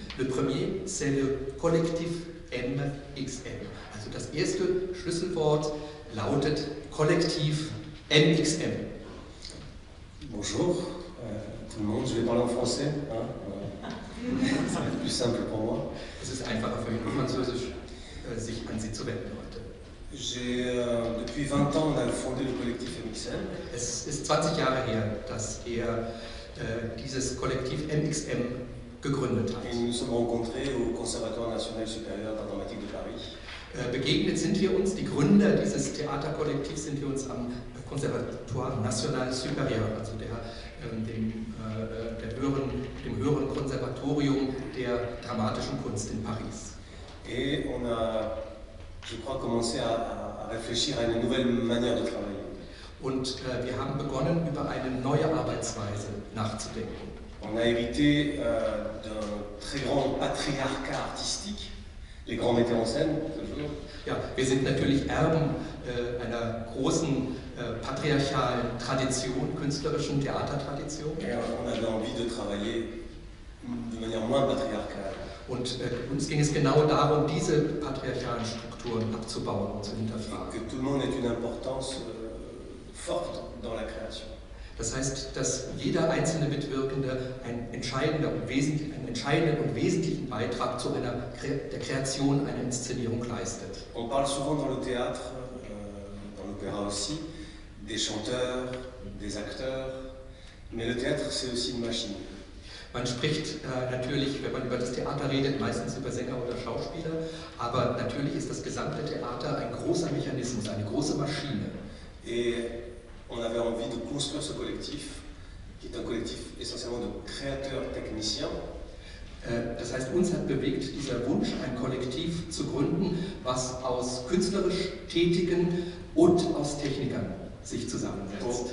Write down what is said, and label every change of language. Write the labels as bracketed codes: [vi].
[fr] Le premier, c'est le collectif MXM. [de] Also das erste Schlüsselwort lautet Kollektiv MXM. [fr] Bonjour, tout le monde, je vais parler en français. Ça va être plus simple pour moi. [de] Es ist einfacher für mich, Französisch sich an Sie zu wenden heute. [fr] J'ai depuis 20 ans, on a fondé le collectif MXM. [de] Es ist 20 Jahre her, dass er dieses Kollektiv MXM gegründet hat. [fr] Et nous sommes rencontrés au Conservatoire National Supérieur d'Informatique de Paris. [de] Begegnet sind wir uns, die Gründer dieses Theaterkollektivs sind wir uns am Conservatoire National Supérieur, also dem höheren Konservatorium der dramatischen Kunst in Paris. [fr] Et on a, je crois, commencé à réfléchir à une nouvelle manière de travailler. [de] Und wir haben begonnen, über eine neue Arbeitsweise nachzudenken. [fr] On a hérité d'un très grand patriarcat artistique. Les grands metteurs en scène, toujours. [de] Ja, wir sind natürlich Erben einer großen patriarchalen Tradition, künstlerischen Theatertradition. [fr] Ja, on avait envie de travailler de manière moins patriarcale. [de] Und uns ging es genau darum, diese patriarchalen Strukturen abzubauen und zu hinterfragen. [fr] Que tout le monde ait une importance forte dans la création. [de] Das heißt, dass jeder einzelne Mitwirkende einen entscheidenden und wesentlichen Beitrag zu einer der Kreation einer Inszenierung leistet. [fr] On parle souvent dans le théâtre, dans l'opéra aussi, des chanteurs, des acteurs, mais le théâtre c'est aussi une machine. [de] Man spricht natürlich, wenn man über das Theater redet, meistens über Sänger oder Schauspieler, aber natürlich ist das gesamte Theater ein großer Mechanismus, eine große Maschine. [fr] Et on avait envie de construire ce collectif, qui est un collectif essentiellement de créateurs-techniciens. [de] Das heißt, uns hat bewegt, dieser Wunsch, ein Kollektiv zu gründen, was aus künstlerisch Tätigen und aus Technikern sich zusammensetzt.